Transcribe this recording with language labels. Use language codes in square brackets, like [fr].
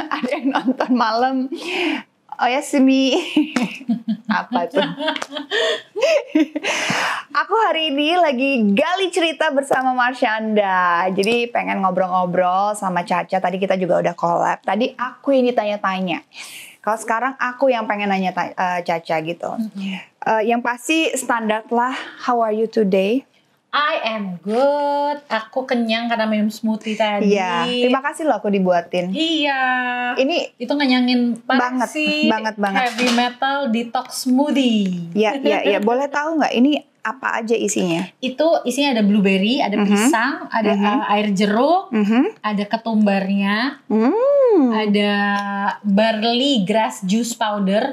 [id] Ada yang nonton malam, oh ya, semi. Apa tuh? Aku hari ini lagi gali cerita bersama Marshanda. Jadi pengen ngobrol-ngobrol sama Caca. Tadi kita juga udah collab. Tadi aku yang ditanya-tanya. Kalau sekarang aku yang pengen nanya Caca gitu. Yang pasti standar lah, [en] how are you today? I am good. [id] Aku kenyang karena minum smoothie tadi. Iya, terima kasih loh aku dibuatin. Iya. Ini itu ngenyangin banget sih. Banget. [en] Heavy metal detox smoothie. [id] Iya. Boleh tahu nggak ini apa aja isinya? Itu isinya ada blueberry, ada pisang, ada air jeruk, ada ketumbarnya, ada barley grass juice powder.